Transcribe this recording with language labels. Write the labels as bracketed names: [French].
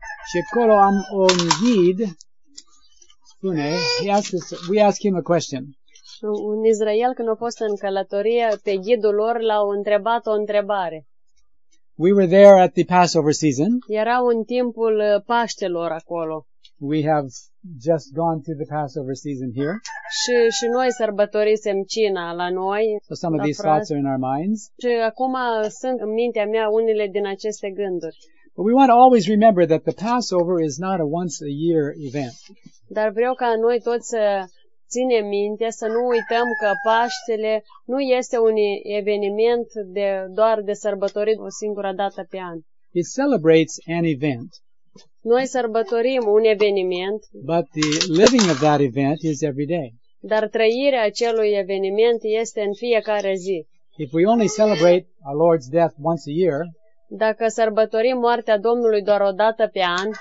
[Romanian] Și acolo am un ghid, spune, [English] we ask him a question. [Romanian] Un Israel când a fost în călătorie, pe ghidul lor l-au întrebat o întrebare. [English] We were there at the Passover season. [Romanian] Era în timpul Paștelor acolo. [English] We have just gone through the Passover season here. [Romanian] Și noi sărbătorisem cina la noi. [English] So some of these thoughts are in our minds. [Romanian] Și acum sunt în mintea mea unele din aceste gânduri. [English] But we want to always remember that the Passover is not a once a year event. [Romanian] Dar vreau ca noi toți să ținem minte, să nu uităm că Paștele nu este un eveniment de doar de sărbătorit o singură dată pe an. [English] It celebrates an event. [Romanian] Noi sărbătorim un eveniment, [English] but the living of that event is every day. [Romanian] Dar trăirea acelui eveniment este în fiecare zi. [English] If we only celebrate our Lord's death once a year, [Romanian] dacă sărbătorim moartea Domnului doar o dată pe an,